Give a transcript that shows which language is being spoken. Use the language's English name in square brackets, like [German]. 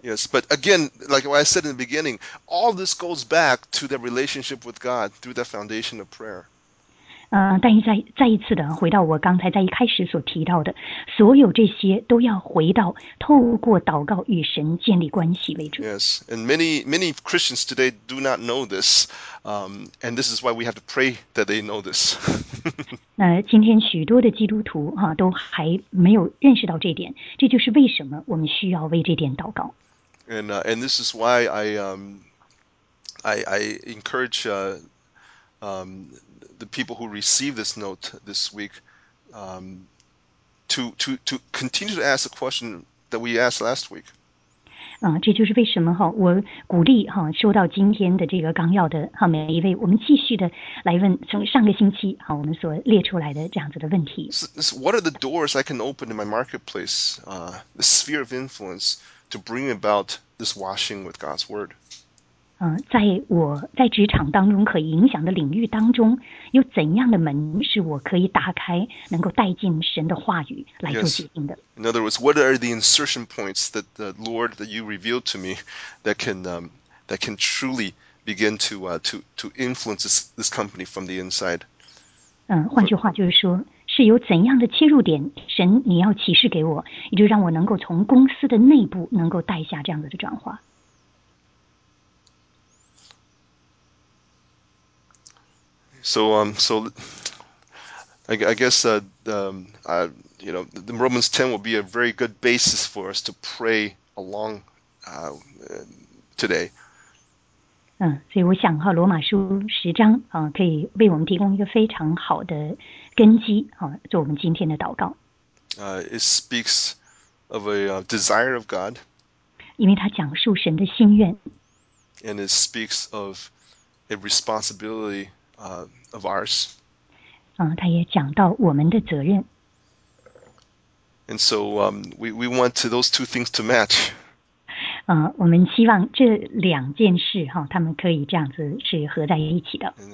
[English] Yes, but again, like what I said in the beginning, all this goes back to the relationship with God through the foundation of prayer. [Chinese] 但是再一次的回到我刚才在一开始所提到的，所有这些都要回到透过祷告与神建立关系为主。 [English] Yes, and many Christians today do not know this, and this is why we have to pray that they know this. [Chinese] 那今天许多的基督徒都还没有认识到这点，这就是为什么我们需要为这点祷告。 [English] And this is why I encourage the people who receive this note this week to continue to ask the question that we asked last week. [Chinese] 这就是为什么我鼓励收到今天的这个纲要的每一位，我们继续的来问从上个星期我们所列出来的这样子的问题。 [English] So, what are the doors I can open in my marketplace, the sphere of influence to bring about this washing with God's word? [Chinese] 在我在职场当中可影响的领域当中，有怎样的门是我可以打开，能够带进神的话语来做洁净的 [English] ？In other words, what are the insertion points that the Lord that you revealed to me that can truly begin to influence this company from the inside？ [Chinese] 换句话就是说，是有怎样的切入点，神你要启示给我，也就让我能够从公司的内部能够带下这样子的转化。 [English] So I guess the Romans 10 will be a very good basis for us to pray along today. [Chinese] 所以我想罗马书十章可以为我们提供一个非常好的根基做我们今天的祷告。 [English] It speaks of a desire of God. [Chinese] 因为它讲述神的心愿。 [English] And it speaks of a responsibility. Of ours. [Chinese] 他也讲到我们的责任。 [English] And so we want those two things to match. [Chinese] 我们希望这两件事哈，他们可以这样子是合在一起的。